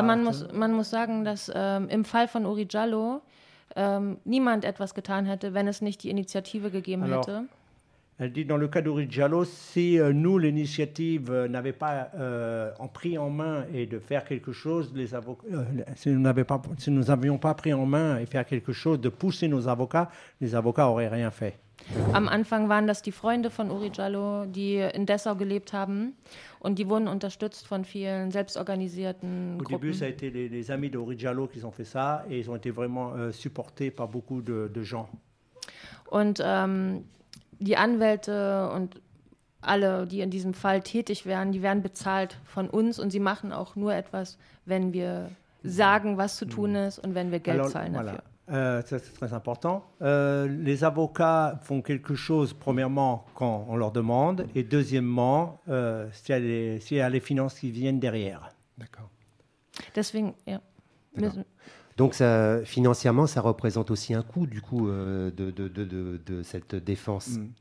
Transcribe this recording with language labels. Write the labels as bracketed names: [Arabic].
[German] Man muss sagen, dass im Fall von Uri Jallo niemand etwas getan hätte, wenn es nicht die Initiative gegeben hätte. [French] Elle dit, dans le cas d'Uri Jallo, si nous, l'initiative, n'avait pas pris en main et de faire quelque chose, les avocats, si nous n'avions pas pris en main et faire quelque chose, de pousser nos avocats, les avocats n'auraient rien fait. [German] Am Anfang waren das die Freunde von Uri Jallo, die in Dessau gelebt haben und die wurden unterstützt von vielen selbstorganisierten Gruppen. [French] Au début, ça a été les amis d'Uri Jallo qui ont fait ça et ils ont été vraiment supportés par beaucoup de gens. [German] Und die Anwälte und alle, die in diesem Fall tätig wären, die werden bezahlt von uns und sie machen auch nur etwas, wenn wir sagen, was zu tun ist und wenn wir Geld zahlen dafür. [French] Ça, c'est très important. Les avocats font quelque chose, premièrement, quand on leur demande, et deuxièmement, s'il y a les finances qui viennent derrière. D'accord. [German] Deswegen, ja. [French] D'accord. Donc, ça, financièrement, ça représente aussi un coût, du coup, de cette défense.